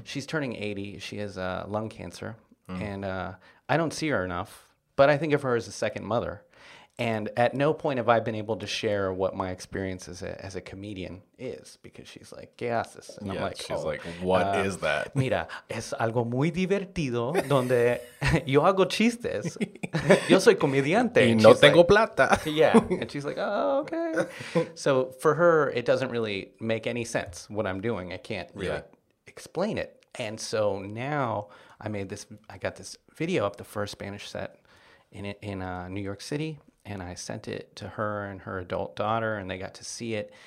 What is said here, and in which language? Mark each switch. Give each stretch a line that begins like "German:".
English: She's turning 80. She has lung cancer. Mm. And I don't see her enough, but I think of her as a second mother. And at no point have I been able to share what my experience as a comedian is, because she's like,
Spanish: ¿qué haces?
English: And yeah, I'm like, she's like, what is that?
Spanish: Mira, es algo muy divertido donde yo hago chistes. Yo soy comediante. Y no tengo like, plata.
English: Yeah. And she's like, oh, okay. So for her, it doesn't really make any sense what I'm doing. I can't really explain it. And so now I got this video of the first Spanish set in New York City, and I sent it to her and her adult daughter, and they got to see it.